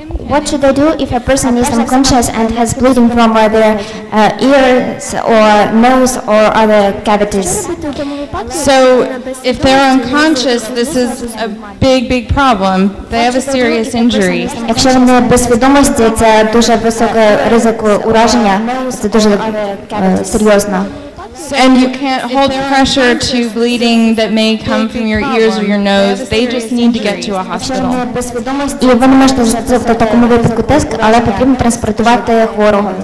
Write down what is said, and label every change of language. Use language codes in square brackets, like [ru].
[en] What should they do if a person is unconscious and has bleeding from either ears or nose or other cavities? So if they're unconscious, this is a big, big problem. They have a serious injury. [uk] Якщо вони без свідомості, це дуже високе ризик ураження. Це дуже серйозно. [en] And you can't hold pressure to bleeding that may come from your ears or your nose. They just need to get to a hospital. [uk] І ви не можете зробити такому випадку тиск, але потрібно транспортувати хворого.